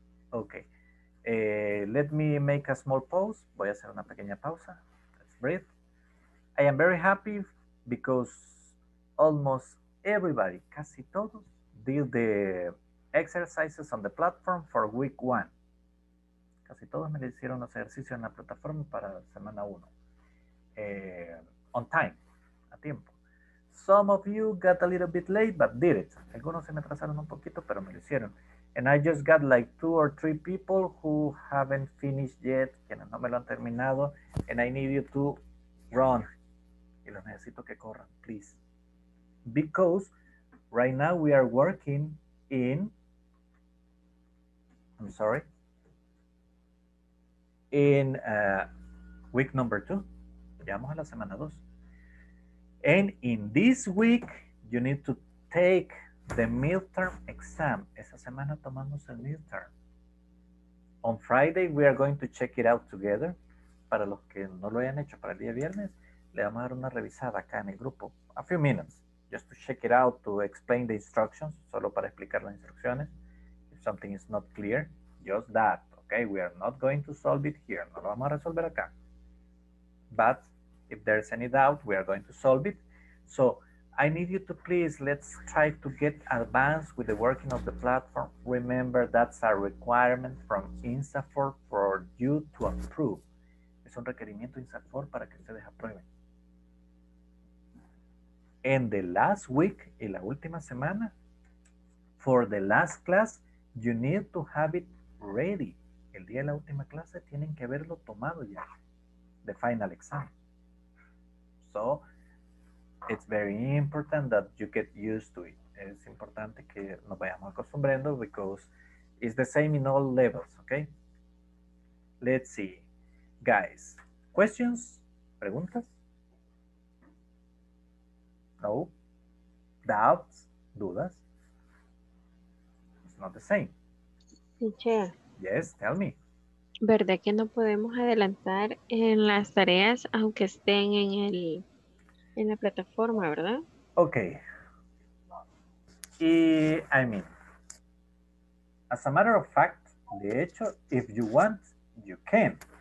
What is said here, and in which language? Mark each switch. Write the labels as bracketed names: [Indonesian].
[English] Okay. Let me make a small pause. [Spanish] Voy a hacer una pequeña pausa. [English] Let's breathe. I am very happy because almost everybody, [Spanish] casi todos, [English] did the exercises on the platform for week one. [Spanish] Casi todos me hicieron los ejercicios en la plataforma para semana uno. [English] On time, [Spanish] a tiempo. [English] Some of you got a little bit late, but did it. [Spanish] Algunos se me atrasaron un poquito, pero me lo hicieron. [English] And I just got like two or three people who haven't finished yet, [Spanish] quienes no me lo han terminado, [English] and I need you to run. [Spanish] Y los necesito que corran, [English] please. Because right now we are working in, I'm sorry, in week number two. [Spanish] Llegamos a la semana dos. [English] And in this week, you need to take the midterm exam. [Spanish] Esa semana tomamos el midterm. [English] On Friday, we are going to check it out together. [Spanish] Para los que no lo hayan hecho para el día viernes, le vamos a dar una revisada acá en el grupo. [English] A few minutes. Just to check it out, to explain the instructions. [Spanish] Solo para explicar las instrucciones. [English] If something is not clear, just that. Okay, we are not going to solve it here. [Spanish] No lo vamos a resolver acá. [English] But if there's any doubt, we are going to solve it. So I need you to please, let's try to get advanced with the working of the platform. Remember, that's a requirement from INSAFORP for you to approve. [Spanish] Es un requerimiento INSAFORP para que ustedes aprueben. [English] And the last week, [Spanish] y la última semana, [English] for the last class, you need to have it ready. [Spanish] El día de la última clase tienen que haberlo tomado ya, [English] the final exam. So, it's very important that you get used to it. [Spanish] Es importante que nos vayamos acostumbrando [English] because it's the same in all levels, okay? Let's see. Guys, questions? [Spanish] ¿Preguntas? [English] No? Doubts? [Spanish] ¿Dudas? [English] It's not the same. Teacher. Yes, tell me. [Spanish] ¿Verdad que no podemos adelantar en las tareas aunque estén en el... en la plataforma, ¿verdad? [English] Okay. Y, I mean, as a matter of fact, [Spanish] de hecho, [English] if you want, you can.